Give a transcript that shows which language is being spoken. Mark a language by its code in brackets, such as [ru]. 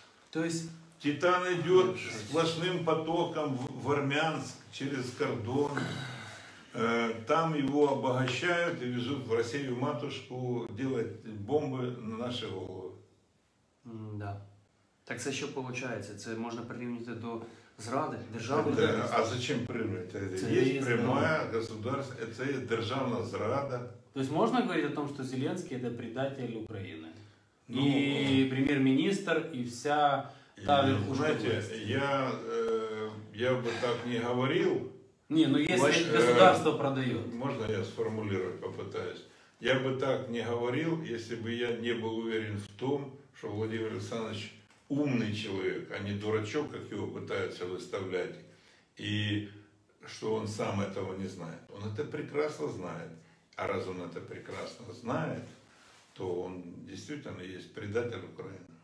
[ru] То есть... Титан идет сплошным потоком в Армянск через кордон. Там его обогащают и везут в Россию матушку делать бомбы на наши головы. [uk] Да. Так це що виходить? Це можна прирівняти до зради держави? Да. А зачем прирівняти? Є пряма государство, це є державна зрада. Тобто можна говорити о тому, що Зеленський – це предатель України? Ну, і прем'єр-міністр, і вся та верхушка власті? Я би так не говорив. Ні, ну якщо государство продає. Можна я сформулюю, попытаюсь. [ru] Я би так не говорив, якщо б я не був уверен в тому, что Владимир Александрович умный человек, а не дурачок, как его пытаются выставлять, и что он сам этого не знает. Он это прекрасно знает. А раз он это прекрасно знает, то он действительно есть предатель Украины.